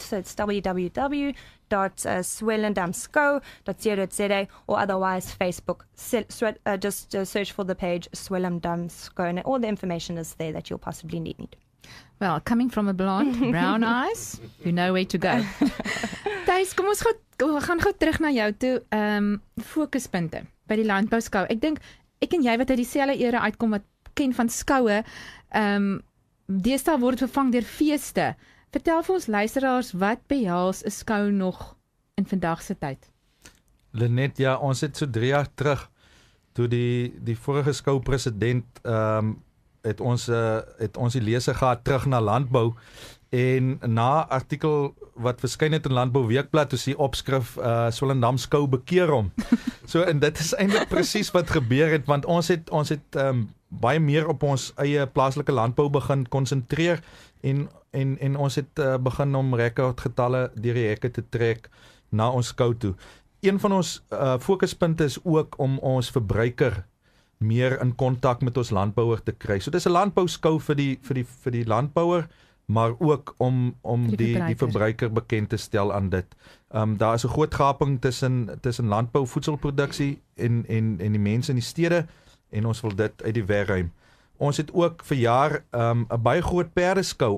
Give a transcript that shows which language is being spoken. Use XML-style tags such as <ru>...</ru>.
<en>So it's www.swellendamskou.co.za, or otherwise Facebook. Search for the page Swellendam Skou, and all the information is there that you'll possibly need. Well, coming from a blonde, brown eyes, you know where to go.</en> <af>Thijs, kom ons gaan gou terug na jou toe. Fokuspunte by die landbou skou. Ek dink ek en jy wat uit dieselfde era uitkom wat ken van skoue, deesdae word vervang deur feeste. Vertel vir ons luisteraars, wat behels 'n skou nog in vandag se tyd? Lynette, ja, ons het so 3 jaar terug toe die vorige skou president het ons die lese gehad terug na landbou, en na artikel wat verskyn het in Landbou Weekblad, is die opskrif Swellendam Skou bekeer hom. So, en dit is eintlik presies wat gebeur het, want ons het baie meer op ons eie plaaslike landbou begin konsentreer, en ons het begin om rekordgetalle deur die hekke te trek na ons skou toe. Een van ons fokuspunte is ook om ons verbruiker meer in kontak met ons landbouer te kry. So dis 'n landbouskou vir die landbouer, maar ook om die verbruiker bekend te stel aan dit. Daar is 'n groot gaping tussen landbou voedselproduksie en die mense in die stede, en ons wil dit uit die weg ruim. Ons het ook verjaar 'n baie groot perdeskou.</af>